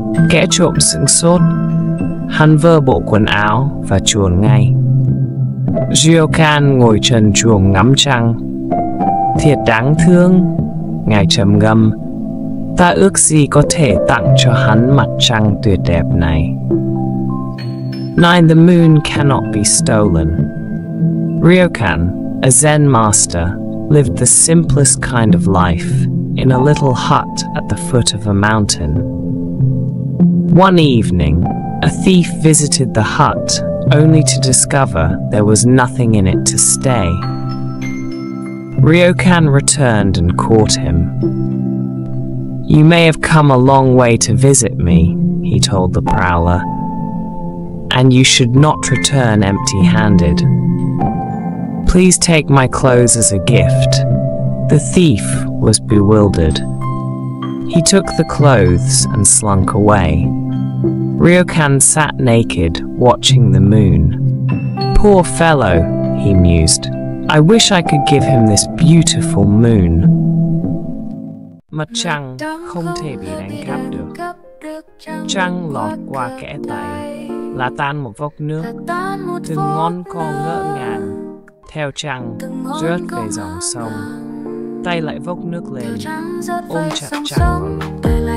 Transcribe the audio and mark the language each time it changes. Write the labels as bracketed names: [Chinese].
[Vietnamese] Kẻ trộm sững sốt, hắn vơ bộ quần áo và chuồn ngay. Ryokan ngồi trần truồng ngắm trăng. Thiệt đáng thương, ngài trầm ngâm, ta ước gì có thể tặng cho hắn mặt trăng tuyệt đẹp này. [English] Nine, the moon cannot be stolen. Ryokan, a Zen master, lived the simplest kind of life in a little hut at the foot of a mountain. One evening, a thief visited the hut only to discover there was nothing in it to stay. Ryokan returned and caught him. You may have come a long way to visit me, he told the prowler, and you should not return empty-handed. Please take my clothes as a gift. The thief was bewildered. He took the clothes and slunk away. Ryokan sat naked, watching the moon. Poor fellow, he mused. I wish I could give him this beautiful moon. [Vietnamese] Mặt trăng không thể bị đánh cắp được. Trăng lọt qua kẽ tay, là tan một vốc nước. Từng ngón co ngỡ ngàng, theo trăng rớt về dòng sông. Tay lại vốc nước lên, ôm chặt trăng vào lòng.